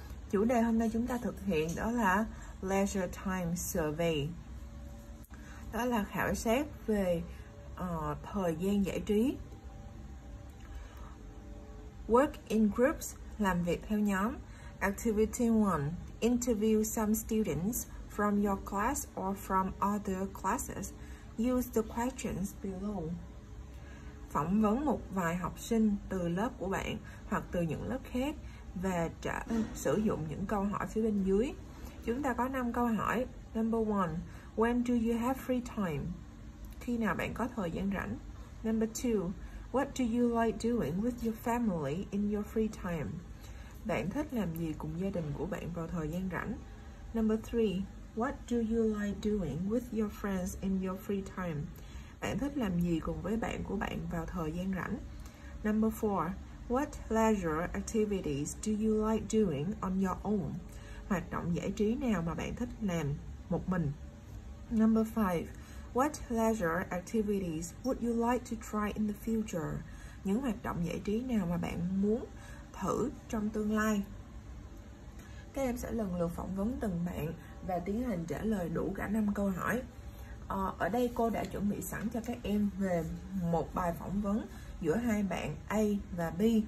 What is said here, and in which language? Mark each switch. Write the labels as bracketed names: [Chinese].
[Vietnamese] Chủ đề hôm nay chúng ta thực hiện đó là Leisure Time Survey. Đó là khảo sát về thời gian giải trí. [English] Work in groups, [Vietnamese] làm việc theo nhóm. [English] Activity 1. Interview some students from your class or from other classes. Use the questions below. [Vietnamese] Phỏng vấn một vài học sinh từ lớp của bạn hoặc từ những lớp khác và sử dụng những câu hỏi phía bên dưới. Chúng ta có 5 câu hỏi. [English] Number 1. When do you have free time? [Vietnamese] Khi nào bạn có thời gian rảnh? [English] Number 2. What do you like doing with your family in your free time? [Vietnamese] Bạn thích làm gì cùng gia đình của bạn vào thời gian rảnh? [English] Number 3. What do you like doing with your friends in your free time? [Vietnamese] Bạn thích làm gì cùng với bạn của bạn vào thời gian rảnh? [English] Number 4. What leisure activities do you like doing on your own? [Vietnamese] Hoạt động giải trí nào mà bạn thích làm một mình? [English] Number 5. What leisure activities would you like to try in the future? [Vietnamese] Những hoạt động giải trí nào mà bạn muốn thử trong tương lai. Các em sẽ lần lượt phỏng vấn từng bạn và tiến hành trả lời đủ cả 5 câu hỏi. Ở đây cô đã chuẩn bị sẵn cho các em về một bài phỏng vấn giữa hai bạn A và B.